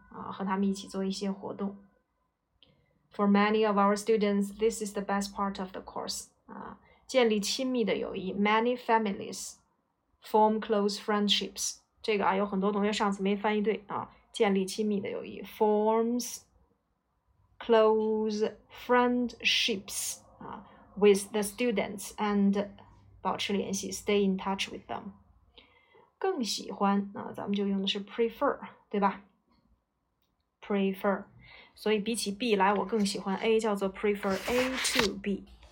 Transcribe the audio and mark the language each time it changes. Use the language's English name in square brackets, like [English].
[Chinese] 啊，和他们一起做一些活动。 [English] For many of our students, this is the best part of the course. 啊， [Chinese] 建立亲密的友谊。 [English] Many families form close friendships. [Chinese] 这个啊，有很多同学上次没翻译对啊。建立亲密的友谊 forms [English] close friendships、with the students and [Chinese] 保持联系 [English] stay in touch with them. [Chinese] 更喜欢、咱们就用的是 prefer, 对吧 ?prefer. 所以比起 B 来我更喜欢 A, 叫做 [English] prefer A to B.